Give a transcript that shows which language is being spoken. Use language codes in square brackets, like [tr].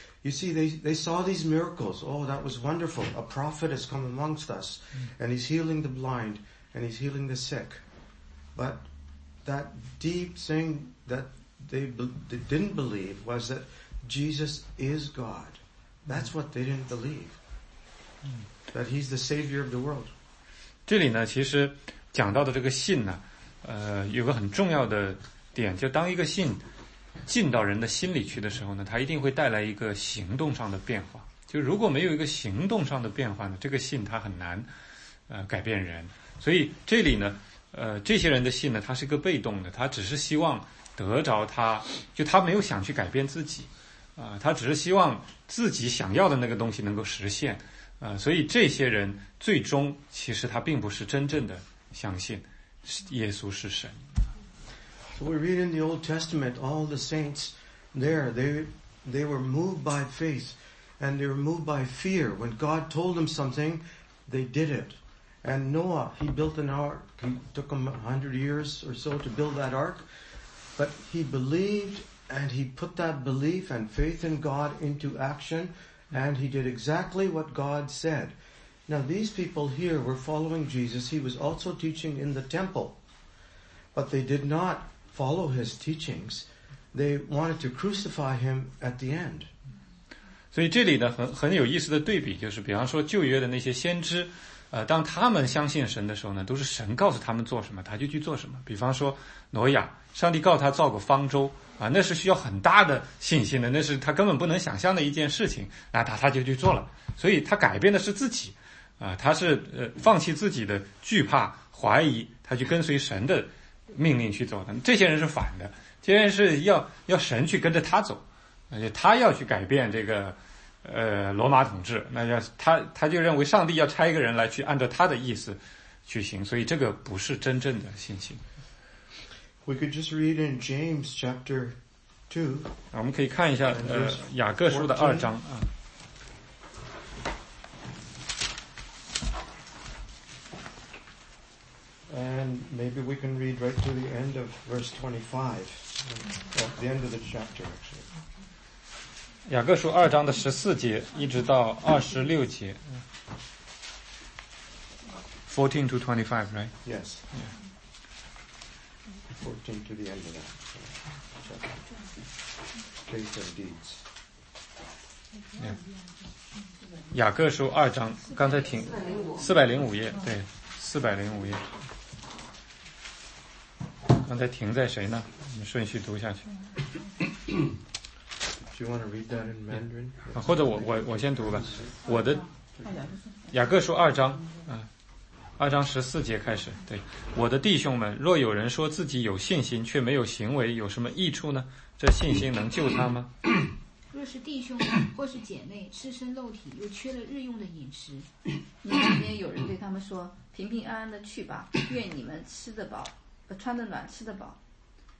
[en] You see, they saw these miracles. Oh, that was wonderful. A prophet has come amongst us, and he's healing the blind, and he's healing the sick. But that deep thing that they didn't believe was that Jesus is God. That's what they didn't believe. That he's the savior of the world. [zh] 这里呢，其实讲到的这个信呢，有个很重要的点，就当一个信进到人的心里去的时候呢，它一定会带来一个行动上的变化。就如果没有一个行动上的变化呢，这个信它很难改变人。所以这里呢，这些人的信呢，它是一个被动的，他只是希望得着他，就他没有想去改变自己，他只是希望自己想要的那个东西能够实现，所以这些人最终其实他并不是真正的相信耶稣是神。 [en] So we read in the Old Testament, all the saints there, they were moved by faith and they were moved by fear. When God told them something, they did it. And Noah, he built an ark. It took him 100 years or so to build that ark. But he believed and he put that belief and faith in God into action and he did exactly what God said. Now these people here were following Jesus. He was also teaching in the temple. But they did not follow his teachings, they wanted to crucify him at the end. [zh] 所以这里呢，很有意思的对比，就是比方说旧约的那些先知，当他们相信神的时候呢，都是神告诉他们做什么，他就去做什么。比方说挪亚，上帝告他造个方舟，那是需要很大的信心的，那是他根本不能想象的一件事情，那他就去做了。所以他改变的是自己，他是放弃自己的惧怕、怀疑，他去跟随神的命令去走的。这些人是反的，这些人是要神去跟着他走，而且他要去改变这个罗马统治，那要他就认为上帝要差一个人来去按照他的意思去行，所以这个不是真正的信心。 [en] We could just read in James chapter 2. [zh] 我们可以看一下雅各书的二章啊。 [en] And maybe we can read right to the end of verse 25, at the end of the chapter, actually. [zh] 雅各书二章的十四节一直到二十六节。 [en] 14 to 25, right? Yes. Yeah. 14 to the end of that. Place of deeds. Yeah. [zh] 雅各书二章，刚才停405页，对，405页。刚才停在谁呢？我们顺序读下去。 [en] Do you want to read that in Mandarin? [zh] 或者我先读吧。我的雅各书二章，二章十四节开始。对，我的弟兄们，若有人说自己有信心却没有行为，有什么益处呢？这信心能救他吗？若是弟兄或是姐妹赤身露体，又缺了日用的饮食，你里面有人对他们说：“平平安安的去吧，愿你们吃得饱，穿得暖，吃得饱。”